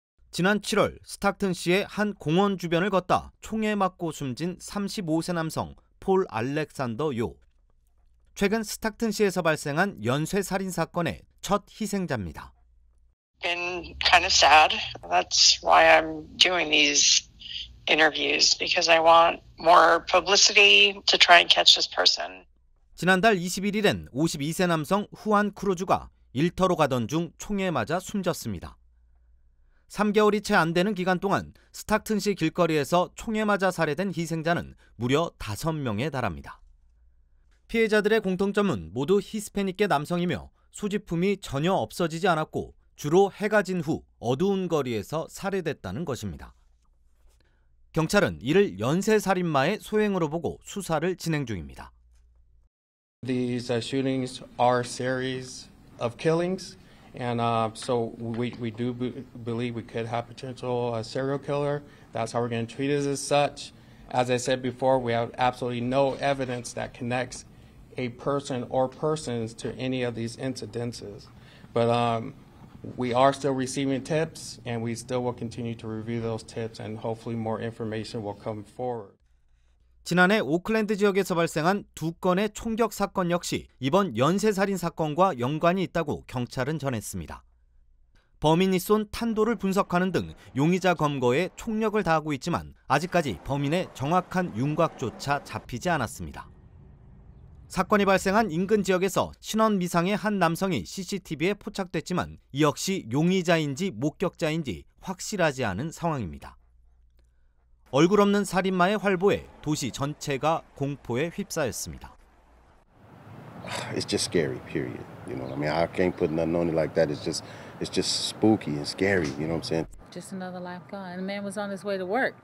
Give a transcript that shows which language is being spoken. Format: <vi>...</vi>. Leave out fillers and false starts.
<ko>지난 7월 스타튼시의 한 공원 주변을 걷다 총에 맞고 숨진 35세 남성 폴 알렉산더 요. 최근 스타튼시에서 발생한 연쇄 살인 사건의 첫 희생자입니다.</ko> <en>Been kind of sad. That's why I'm doing these interviews because I want more publicity to try and catch this person.</en> <ko>지난달 21일엔 52세 남성 후안 크루즈가 일터로 가던 중 총에 맞아 숨졌습니다. 3개월이 채 안 되는 기간 동안 스타튼시 길거리에서 총에 맞아 살해된 희생자는 무려 5명에 달합니다. 피해자들의 공통점은 모두 히스패닉계 남성이며 소지품이 전혀 없어지지 않았고 주로 해가 진 후 어두운 거리에서 살해됐다는 것입니다. 경찰은 이를 연쇄살인마의 소행으로 보고 수사를 진행 중입니다.</ko> <en>These shootings are series of killings. And so we do believe we could have potential serial killer. That's how we're going to treat it as such. As I said before, we have absolutely no evidence that connects a person or persons to any of these incidences. But we are still receiving tips, and we still will continue to review those tips, and hopefully more information will come forward.</en> <ko>지난해 오클랜드 지역에서 발생한 두 건의 총격 사건 역시 이번 연쇄살인 사건과 연관이 있다고 경찰은 전했습니다. 범인이 쏜 탄도를 분석하는 등 용의자 검거에 총력을 다하고 있지만 아직까지 범인의 정확한 윤곽조차 잡히지 않았습니다. 사건이 발생한 인근 지역에서 신원 미상의 한 남성이 CCTV에 포착됐지만 이 역시 용의자인지 목격자인지 확실하지 않은 상황입니다. 얼굴 없는 살인마의 활보에 도시 전체가 공포에 휩싸였습니다.</ko> <en>It's just scary, period. You know what I mean? I can't put nothing on it like that. It's just spooky and scary. You know what I'm saying? Just another life gone. The man was on his way to work.</en>